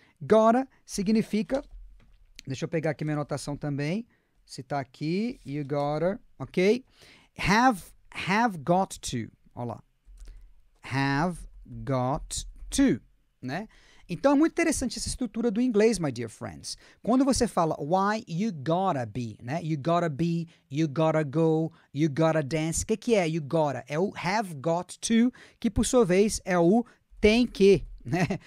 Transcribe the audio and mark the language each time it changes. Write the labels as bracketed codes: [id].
[pt] Gotta significa... Deixa eu pegar aqui minha anotação também. Se tá aqui, [en] you gotta, ok? Have got to. [pt] Olha lá. [en] Have got to, né? [pt] Então, é muito interessante essa estrutura do inglês, [en] my dear friends. [pt] Quando você fala, [en] why you gotta be, [pt] né? [en] You gotta be, you gotta go, you gotta dance. [pt] O que, que é [en] you gotta? [pt] É o [en] have got to, [pt] que por sua vez é o tem que, né?